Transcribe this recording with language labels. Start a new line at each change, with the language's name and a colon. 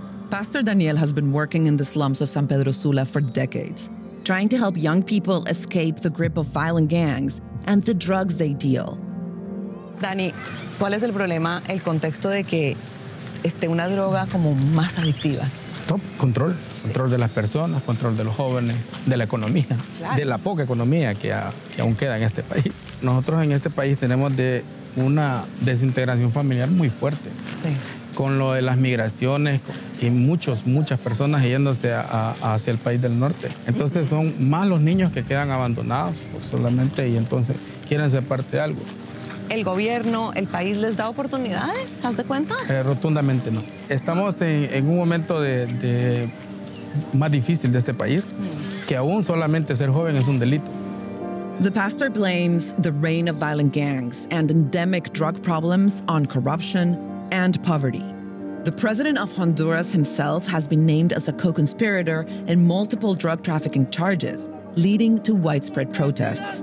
English: Pastor Daniel has been working in the slums of San Pedro Sula for decades, trying to help young people escape the grip of violent gangs and the drugs they deal.
Spanish: Dani, ¿cuál es el problema, el contexto de que esté una droga como más adictiva? Top, control. Sí. Control de las personas, control de los jóvenes, de la economía, claro. De la poca economía que aún queda en este país. Nosotros en este país tenemos de una desintegración familiar muy fuerte. Sí. Con lo de las migraciones y muchas personas yéndose hacia el país del norte. Entonces son más los niños que quedan abandonados solamente y entonces quieren ser parte de algo. ¿El gobierno, el país les da oportunidades? ¿Haz de cuenta? Rotundamente no. Estamos en un momento de más difícil de este país, que aún solamente ser joven es un delito.
English: The pastor blames the reign of violent gangs and endemic drug problems on corruption and poverty. The president of Honduras himself has been named as a co-conspirator in multiple drug trafficking charges, leading to widespread protests.